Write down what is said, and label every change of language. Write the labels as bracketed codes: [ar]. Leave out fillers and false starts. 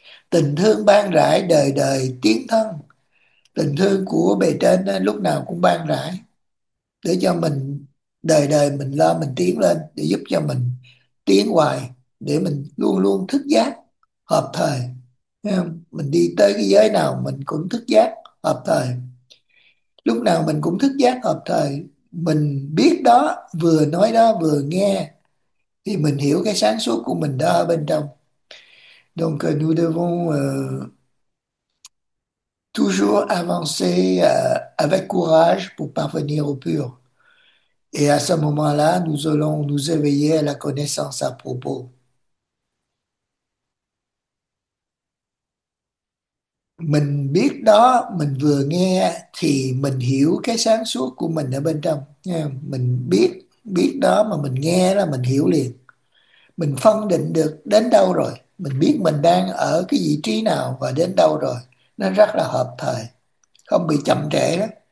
[vi] Tình thương ban rãi đời đời tiến thân. Tình thương của bề trên á, lúc nào cũng ban rãi để cho mình đời đời mình lo mình tiến lên, để giúp cho mình tiến hoài, để mình luôn luôn thức giác hợp thời. Mình đi tới cái giới nào mình cũng thức giác hợp thời, lúc nào mình cũng thức giác hợp thời. Mình biết đó, vừa nói đó vừa nghe thì mình hiểu cái sáng suốt của mình đó ở bên trong. [fr] Donc nous devons toujours avancer avec courage pour parvenir au pur. Et à ce moment-là, nous allons nous éveiller à la connaissance à propos. [vi] Mình biết đó, mình vừa nghe thì mình hiểu cái sáng suốt của mình ở bên trong. Mình biết biết đó mà mình nghe là mình hiểu liền. Mình phân định được đến đâu rồi. Mình biết mình đang ở cái vị trí nào và đến đâu rồi, nó rất là hợp thời, không bị chậm trễ đó.